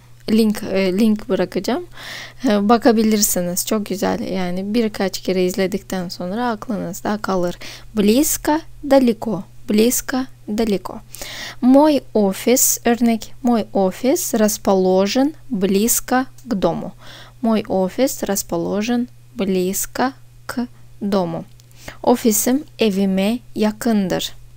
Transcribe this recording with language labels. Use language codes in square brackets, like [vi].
[tr] Link bırakacağım. Bakabilirsiniz. Çok güzel. Yani birkaç kere izledikten sonra aklınızda kalır. [ru] Близко, далеко. Близко, далеко. Мой офис, örnek. Мой офис расположен близко к дому. Мой офис расположен близко к дому. [tr] Офисим evime yakındır.